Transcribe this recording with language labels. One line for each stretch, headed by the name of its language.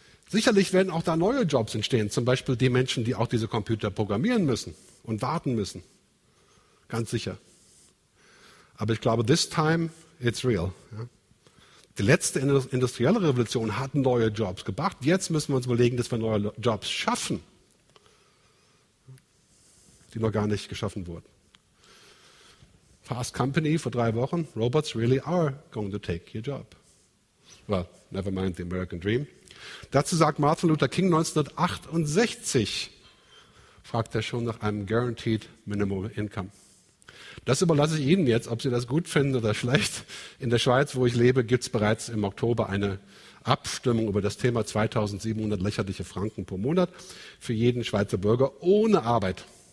German: Sicherlich werden auch da neue Jobs entstehen, zum Beispiel die Menschen, die auch diese Computer programmieren müssen und warten müssen. Ganz sicher. Aber ich glaube,
English: this time it's real.
German: Ja. Die letzte industrielle Revolution hat neue Jobs gebracht. Jetzt müssen wir uns überlegen, dass wir neue Jobs schaffen, die noch gar nicht geschaffen wurden.
English: Fast Company
German: vor 3 Wochen,
English: robots really are going to take your job. Well, never mind the American dream.
German: Dazu sagt Martin Luther King 1968, fragt er schon nach einem
English: guaranteed minimal income.
German: Das überlasse ich Ihnen jetzt, ob Sie das gut finden oder schlecht. In der Schweiz, wo ich lebe, gibt es bereits im Oktober eine Abstimmung über das Thema 2700 lächerliche Franken pro Monat für jeden Schweizer Bürger ohne Arbeit.